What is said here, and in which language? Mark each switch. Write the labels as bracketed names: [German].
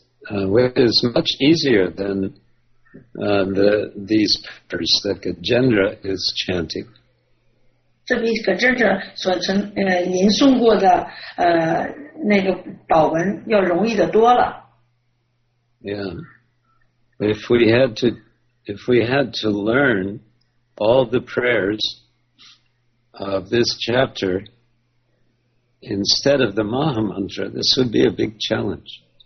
[English] Which is much easier than these prayers that Gajendra is chanting. [Chinese] 这比Gajendra所吟诵过的那个宝文要容易的多了。 [English] Yeah. If we had to learn all the prayers of this chapter instead of the Maha Mantra, this would be a big challenge.